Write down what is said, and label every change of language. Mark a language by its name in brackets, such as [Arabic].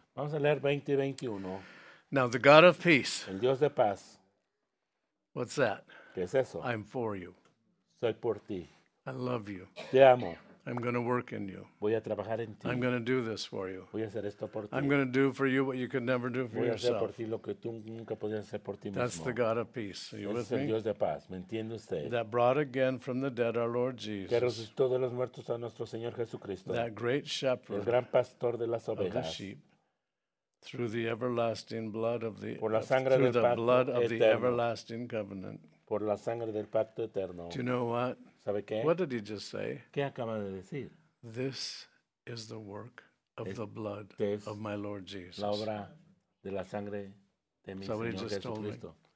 [Spanish] Vamos a leer 20 y 21. [English] Now the God of peace. [Spanish] El Dios de paz. [English] What's that? [Spanish] ¿Qué es eso? [English] I'm for you. [Spanish] Soy por ti. [English] I love you. [Spanish] Te amo. [English] I'm going to work in you. [Spanish] Voy a trabajar en ti. [English] I'm going to do this for you. [Spanish] Voy a hacer esto por ti. [English] I'm going to do for you what you could never do for yourself. [Spanish] Voy a hacer por ti lo que tú nunca podías hacer por ti mismo. [English] That's the God of peace. Are you with me? [Spanish] Es el Dios de paz. ¿Me entiende usted? [English] That brought again from the dead our Lord Jesus. [Spanish] Que resucitó de los muertos a nuestro Señor Jesucristo. [English] That great shepherd. [Spanish] El gran pastor de las ovejas. [English] Of the sheep. Through the everlasting blood of the. [Spanish] Por la sangre del pacto eterno. [English] Through the blood of the everlasting covenant. [Spanish] Por la sangre del pacto eterno. [English] Do you know what? [Spanish] ¿Sabe qué? [English] What did he just say? [Spanish] ¿Qué acaba de decir? [English] This is the work of the blood of my Lord Jesus. [Spanish] La obra de la sangre de mi Señor Jesucristo.